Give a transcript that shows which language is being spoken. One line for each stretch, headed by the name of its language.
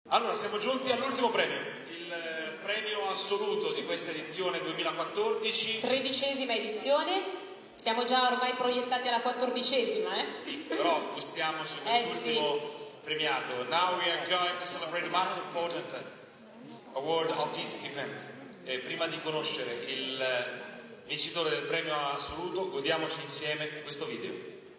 Italian: Allora, siamo giunti all'ultimo premio, il premio assoluto di questa edizione 2014. Tredicesima edizione, siamo già ormai proiettati alla quattordicesima, Sì, però gustiamoci quest'ultimo premiato.
English: Now we are going to celebrate the most important award of this event.
Italian: E prima di conoscere il vincitore del premio assoluto, godiamoci insieme questo video.